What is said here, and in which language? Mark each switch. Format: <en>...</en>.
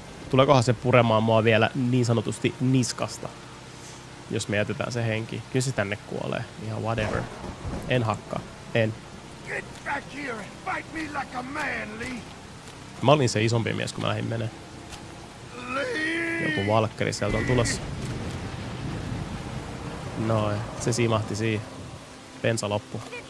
<fi>Tuleekohan se puremaan mua vielä niin sanotusti niskasta, jos me jätetään se henki? Kyllä se tänne kuolee. Ihan whatever. En hakka. En.</fi> <en>Get back here and fight me like a man, Lee.</en> <fi>Mä olin se isompi mies, kun mä lähdin menee.</fi> <en>Lee.</en> <fi>Joku valkkari sieltä on tulossa. Noin. Se siimahti siihen. Bensa loppu.</fi>